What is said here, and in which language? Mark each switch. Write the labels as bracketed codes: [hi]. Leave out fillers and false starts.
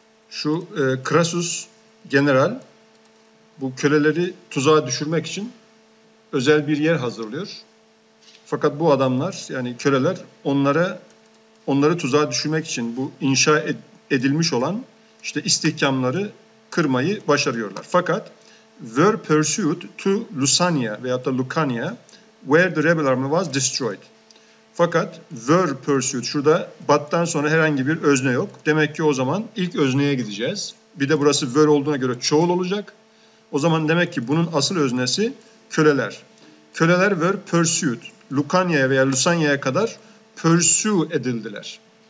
[tr] Şu Crassus general bu köleleri tuzağa düşürmek için özel bir yer hazırlıyor. Fakat bu adamlar, yani köleler, onları tuzağa düşürmek için bu inşa edilmiş olan işte istihkamları kırmayı başarıyorlar. [en] Fakat were pursued to Lusania [tr] veyahut da [en] Lucania where the rebel army was destroyed. [tr] Fakat [en] were pursued, [tr] şurada but'tan sonra herhangi bir özne yok. Demek ki o zaman ilk özneye gideceğiz. Bir de burası were olduğuna göre çoğul olacak. O zaman demek ki bunun asıl öznesi köleler. Köleler [en] were pursued. [tr] Lucania'ya veya Lusania'ya kadar pursue edildiler.